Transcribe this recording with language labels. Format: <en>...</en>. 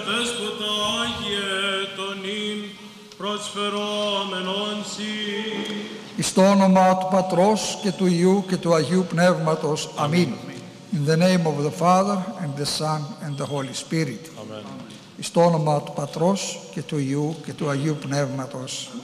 <el>Δέσποτα Άγιε των ειν προσφερόμενον σοι. Εις το όνομα του Πατρός και του Υιού και του Αγίου Πνεύματος. Αμήν.</el> <en>In the name of the Father, and the Son, and the Holy Spirit. Amen.</en> <el>Εις το όνομα του Πατρός και του Υιού και του Αγίου Πνεύματος.</el>